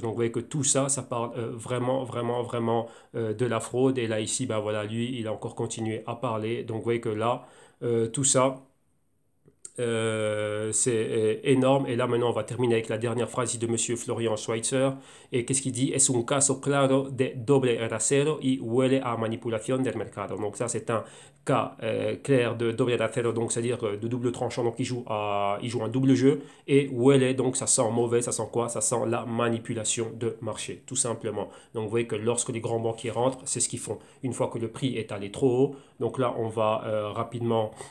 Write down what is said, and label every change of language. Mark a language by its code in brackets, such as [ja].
[fr] Donc vous voyez que tout ça, ça parle vraiment, vraiment, vraiment de la fraude. Et là, ici, ben voilà, lui, il a encore continué à parler. Donc vous voyez que là, tout ça... c'est énorme. Et là, maintenant, on va terminer avec la dernière phrase de Monsieur Florian Schweitzer. Et qu'est-ce qu'il dit? [es] Es un caso claro de doble rasero y huele a manipulación del mercado. [fr] Donc, ça, c'est un cas clair de [es] doble rasero, [fr] donc c'est-à-dire de double tranchant. Donc, il joue un double jeu. Et huele, donc, ça sent mauvais. Ça sent quoi? Ça sent la manipulation de marché, tout simplement. Donc, vous voyez que lorsque les grands banquiers rentrent, c'est ce qu'ils font. Une fois que le prix est allé trop haut, donc là, on va rapidement.